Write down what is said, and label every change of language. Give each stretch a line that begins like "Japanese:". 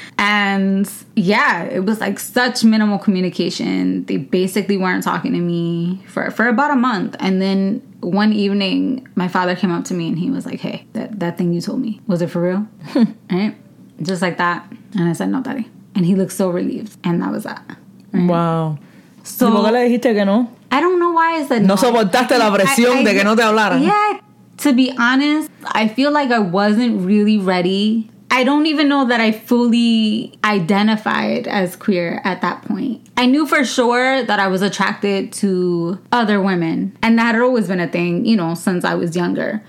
English: And yeah, it was like such minimal communication. They basically weren't talking to me for about a month. And then one evening, my father came up to me and he was like, hey, that thing you told me, was it for real? Right? Just like that. And I said, no, daddy. And he looked so relieved. And that was that. Mm-hmm. Wow. So,
Spanish: ¿y por qué le dijiste que no?
English: I don't know why I said no.
Spanish: No soportaste la presión de que no te hablaran.
English: Yeah. To be honest, I feel like I wasn't really ready. I don't even know that I fully identified as queer at that point. I knew for sure that I was attracted to other women. And that had always been a thing, you know, since I was younger.